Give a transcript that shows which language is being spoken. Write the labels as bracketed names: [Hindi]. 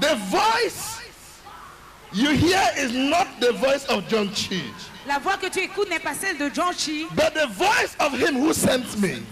[English] The voice you hear is not the voice of John Chi. [French] La voix que tu écoutes n'est pas celle de John Chi. [English] But the voice of him who sent me.